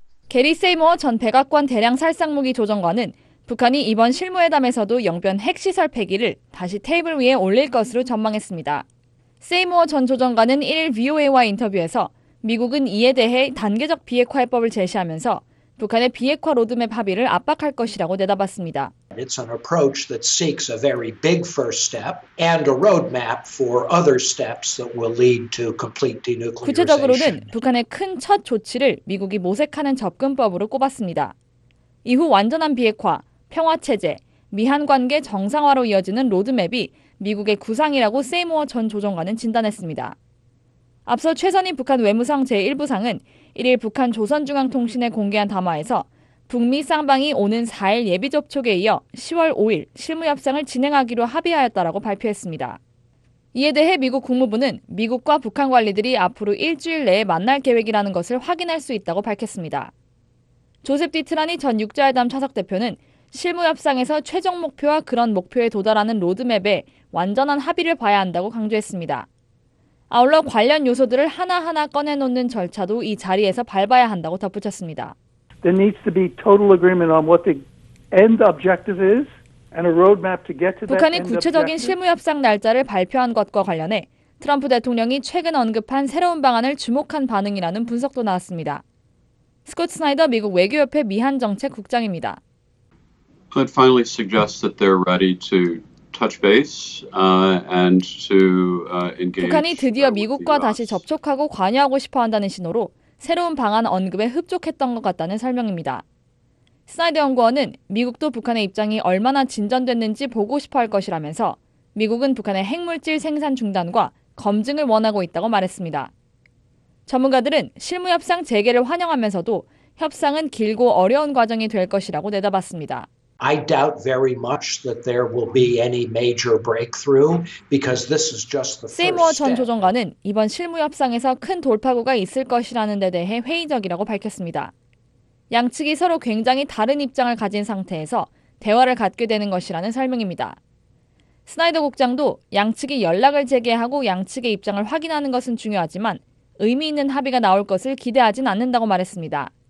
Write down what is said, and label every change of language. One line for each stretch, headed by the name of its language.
Korean: 게리 세이머 전 백악관 대량 살상무기 조정관은 북한이 이번 실무회담에서도 영변 핵시설 폐기를 다시 테이블 위에 올릴 것으로 전망했습니다. 세이모어 전 조정관은 1일 VOA와 인터뷰에서 미국은 이에 대해 단계적 비핵화 해법을 제시하면서 북한의 비핵화 로드맵 합의를 압박할 것이라고 내다봤습니다.
English: It's an approach that seeks a very big first step and a roadmap for other steps that will lead to complete denuclearization.
Korean: 구체적으로는 북한의 큰 첫 조치를 미국이 모색하는 접근법으로 꼽았습니다. 이후 완전한 비핵화, 평화 체제, 미한 관계 정상화로 이어지는 로드맵이 미국의 구상이라고 세이모어 전 조정관은 진단했습니다. 앞서 최선희 북한 외무상 제1부상은 1일 북한 조선중앙통신에 공개한 담화에서 북미 쌍방이 오는 4일 예비접촉에 이어 10월 5일 실무협상을 진행하기로 합의하였다라고 발표했습니다. 이에 대해 미국 국무부는 미국과 북한 관리들이 앞으로 일주일 내에 만날 계획이라는 것을 확인할 수 있다고 밝혔습니다. 조셉 디트라니 전 육자회담 차석 대표는 실무협상에서 최종 목표와 그런 목표에 도달하는 로드맵에 완전한 합의를 봐야 한다고 강조했습니다. 아울러 관련 요소들을 하나하나 꺼내놓는 절차도 이 자리에서 밟아야 한다고 덧붙였습니다.
English: There needs to be total agreement on what the end objective is and a roadmap to get to that.
Korean: 북한이 구체적인 실무협상 날짜를 발표한 것과 관련해 트럼프 대통령이 최근 언급한 새로운 방안을 주목한 반응이라는 분석도 나왔습니다. 스콧 스나이더 미국 외교협회 미한정책 국장입니다.
English: But finally suggests that they're ready to touch base and to engage.
Korean: 북한이 드디어 미국과 다시 접촉하고 관여하고 싶어 한다는 신호로 새로운 방안 언급에 흡족했던 것 같다는 설명입니다. 스나이더 연구원은 미국도 북한의 입장이 얼마나 진전됐는지 보고 싶어 할 것이라면서 미국은 북한의 핵물질 생산 중단과 검증을 원하고 있다고 말했습니다. 전문가들은 실무협상 재개를 환영하면서도 협상은 길고 어려운 과정이 될 것이라고 내다봤습니다.
English: I doubt very much that there will be any major breakthrough because this is just the first step.
Korean: 세이머 전 조정관은 이번 실무 협상에서 큰 돌파구가 있을 것이라는 데 대해 회의적이라고 밝혔습니다. 양측이 서로 굉장히 다른 입장을 가진 상태에서 대화를 갖게 되는 것이라는 설명입니다. 스나이더 국장도 양측이 연락을 재개하고 양측의 입장을 확인하는 것은 중요하지만 의미 있는 합의가 나올 것을 기대하진 않는다고 말했습니다.